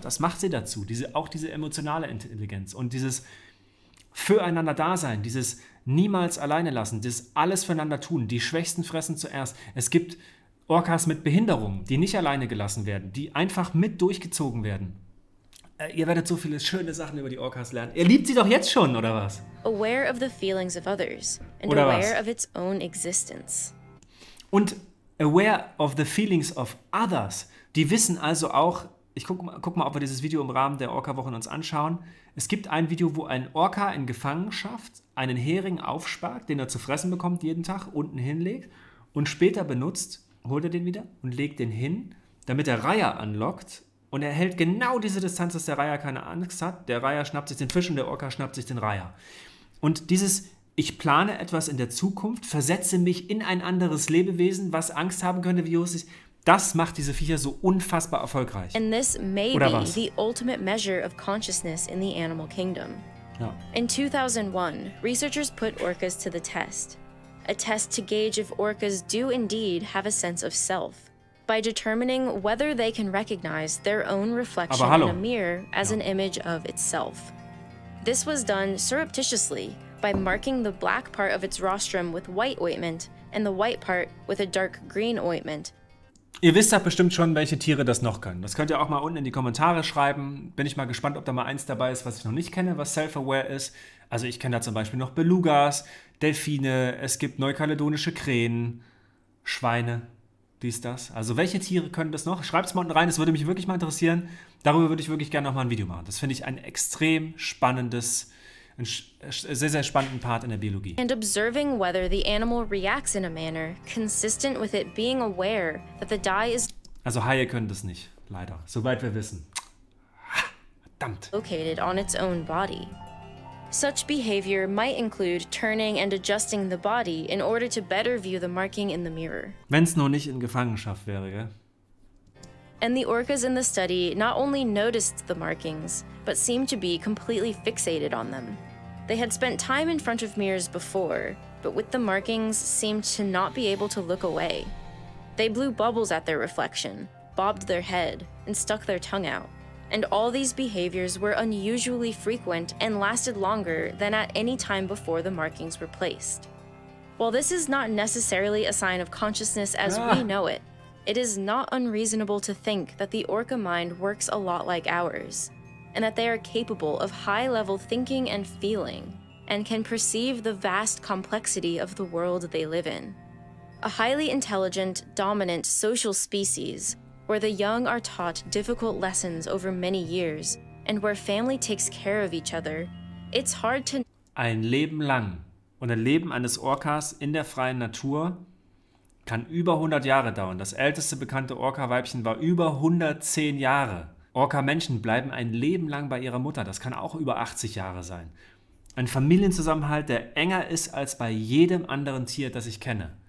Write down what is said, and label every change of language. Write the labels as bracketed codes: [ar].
[de] Das macht sie dazu, auch diese emotionale Intelligenz und dieses Füreinander-Dasein, dieses niemals alleine lassen, dieses alles füreinander tun, die Schwächsten fressen zuerst. Es gibt Orcas mit Behinderungen, die nicht alleine gelassen werden, die einfach mit durchgezogen werden. Ihr werdet so viele schöne Sachen über die Orcas lernen. Ihr liebt sie doch jetzt schon, oder was? [en] Aware of the feelings of others and [de] oder [en] aware [de] was? [en] Of its own existence. [de] Und [en] aware of the feelings of others. [de] Die wissen also auch, ich guck mal, ob wir dieses Video im Rahmen der Orca-Wochen uns anschauen. Es gibt ein Video, wo ein Orca in Gefangenschaft einen Hering aufspart, den er zu fressen bekommt jeden Tag, unten hinlegt und später benutzt, holt er den wieder und legt den hin, damit er Reiher anlockt, Und er hält genau diese Distanz, dass der Reiher keine Angst hat. Der Reiher schnappt sich den Fisch und der Orca schnappt sich den Reiher. Und dieses, ich plane etwas in der Zukunft, versetze mich in ein anderes Lebewesen, was Angst haben könnte, wie Jesus, das macht diese Viecher so unfassbar erfolgreich. [en] And this may be the ultimate measure of consciousness in the animal kingdom. [de] Ja. [en] In 2001, researchers put orcas to the test. A test to gauge if orcas do indeed have a sense of self. By determining whether they can recognize their own reflection in a mirror as an image of itself. This was done surreptitiously by marking the black part of its rostrum with white ointment and the white part with a dark green ointment. [de] Ihr wisst doch bestimmt schon, welche Tiere das noch können. Das könnt ihr auch mal unten in die Kommentare schreiben. Bin ich mal gespannt, ob da mal eins dabei ist, was ich noch nicht kenne, was self-aware ist. Also ich kenne da zum Beispiel noch Belugas, Delfine, es gibt neukaledonische Krähen, Schweine. Dies, das. Also welche Tiere können das noch? Schreibt es mal unten rein, das würde mich wirklich mal interessieren. Darüber würde ich wirklich gerne nochmal ein Video machen. Das finde ich ein extrem spannendes, sehr, sehr spannenden Part in der Biologie. [en] And observing whether the animal reacts in a manner consistent with it being aware that the dye is... [de] Also Haie können das nicht, leider. Soweit wir wissen. Verdammt. [en] ...located on its own body. Such behavior might include turning and adjusting the body in order to better view the marking in the mirror. [de] Wenn's nur nicht in Gefangenschaft wäre, gell? [en] And the orcas in the study not only noticed the markings, but seemed to be completely fixated on them. They had spent time in front of mirrors before, but with the markings seemed to not be able to look away. They blew bubbles at their reflection, bobbed their head, and stuck their tongue out. And all these behaviors were unusually frequent and lasted longer than at any time before the markings were placed. While this is not necessarily a sign of consciousness as we know it, it is not unreasonable to think that the orca mind works a lot like ours, and that they are capable of high-level thinking and feeling, and can perceive the vast complexity of the world they live in. A highly intelligent, dominant social species, where the young are taught difficult lessons over many years and where family takes care of each other, it's hard to... [de] Ein Leben lang und ein Leben eines Orcas in der freien Natur kann über 100 Jahre dauern. Das älteste bekannte Orca-Weibchen war über 110 Jahre. Orca-Menschen bleiben ein Leben lang bei ihrer Mutter. Das kann auch über 80 Jahre sein. Ein Familienzusammenhalt, der enger ist als bei jedem anderen Tier, das ich kenne.